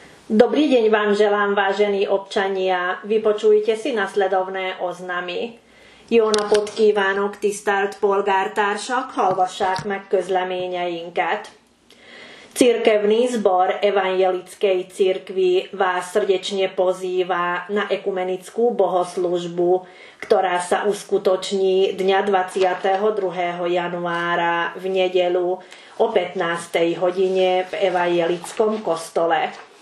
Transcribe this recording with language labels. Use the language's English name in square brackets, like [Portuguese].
[Slovak] Dobrý deň vám želám, vážení občania. Vypočujte si nasledovné oznamy. [Hungarian] Jóna pot kívánok, tisztelt polgártársak, hallgassák meg közleményeinket. [Slovak] Církevný zbor evangelickej cirkvi vás srdečne pozýva na ekumenickú bohoslužbu, ktorá sa uskutoční dňa 22. januára v nedeľu o 15. hodine v evangelickom kostole.